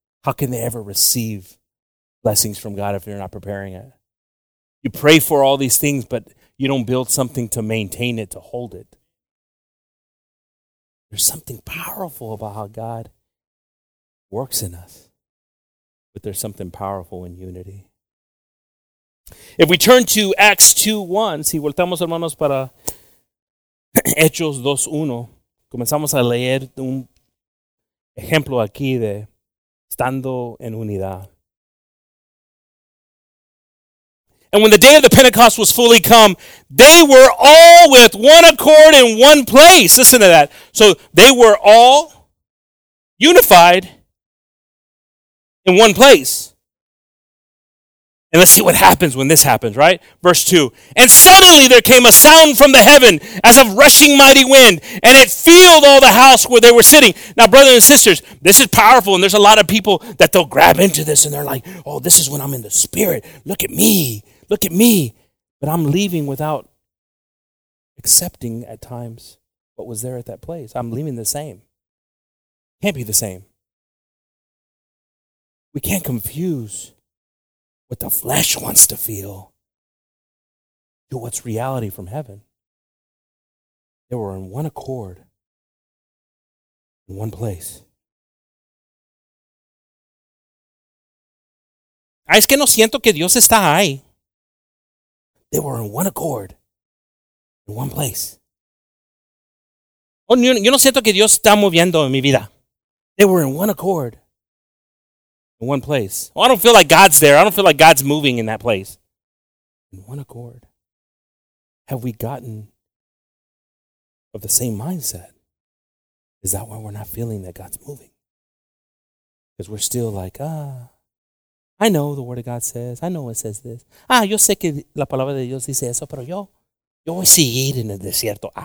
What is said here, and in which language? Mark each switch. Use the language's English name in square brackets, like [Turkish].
[English] How can they ever receive blessings from God if they're not preparing it? You pray for all these things, but you don't build something to maintain it, to hold it. There's something powerful about how God works in us. But there's something powerful in unity. If we turn to Acts 2:1, [Spanish] si voltamos, hermanos, para Hechos 2:1, comenzamos a leer un ejemplo aquí de estando en unidad. [English] And when the day of the Pentecost was fully come, they were all with one accord in one place. Listen to that. So they were all unified in one place. And let's see what happens when this happens, right? Verse 2. And suddenly there came a sound from the heaven as of rushing mighty wind, and it filled all the house where they were sitting. Now, brothers and sisters, this is powerful, and there's a lot of people that they'll grab into this, and they're like, oh, this is when I'm in the spirit. Look at me. Look at me. But I'm leaving without accepting at times what was there at that place. I'm leaving the same. Can't be the same. We can't confuse what the flesh wants to feel to what's reality from heaven. They were in one accord, in one place. [Spanish] Es que no siento que Dios está ahí. [English] They were in one accord, in one place. [Spanish] Oh, yo no siento que Dios está moviendo en mi vida. [English] They were in one accord. In one place. Well, I don't feel like God's there. I don't feel like God's moving in that place. In one accord. Have we gotten of the same mindset? Is that why we're not feeling that God's moving? Because we're still like, I know the word of God says. I know it says this. [Spanish] Yo sé que la palabra de Dios dice eso, pero yo voy a seguir en el desierto.